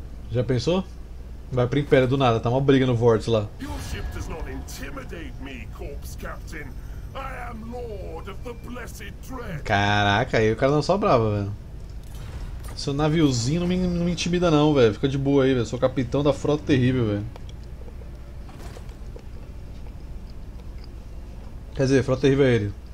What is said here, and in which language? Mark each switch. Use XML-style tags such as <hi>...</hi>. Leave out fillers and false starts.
<pt>Já pensou? Vai pro Império do nada, tá uma briga no Vortex lá.</pt> <en>Your ship does not intimidate me, Corpse Captain. I am Lord of the Blessed Dread.</en> <pt>Caraca, aí o cara não é só bravo, velho. Seu naviozinho não me intimida não, velho. Fica de boa aí, velho. Sou capitão da frota terrível, velho. Quer dizer, frota terrível é ele.</pt>